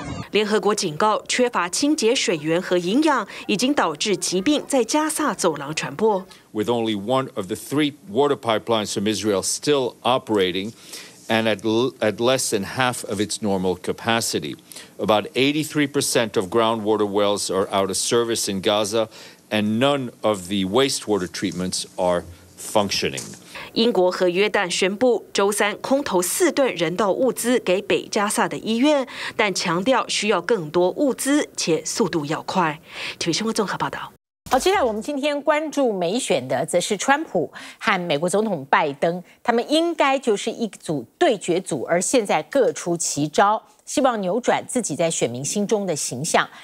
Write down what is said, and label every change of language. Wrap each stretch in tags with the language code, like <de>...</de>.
<zh>联合国警告，缺乏清洁水源和营养，已经导致疾病在加萨走廊传播。</zh> <en>With only one of the three water pipelines from Israel still operating, and at less than half of its normal capacity, about 83% of groundwater wells are out of service in Gaza, and none of the wastewater treatments are functioning.</en> <zh>英国和约旦宣布周三空投4吨人道物资给北加萨的医院，但强调需要更多物资，且速度要快。体育新闻综合报道。好，接下来我们今天关注美选的，则是川普和美国总统拜登，他们应该就是一组对决组，而现在各出奇招，希望扭转自己在选民心中的形象。</zh>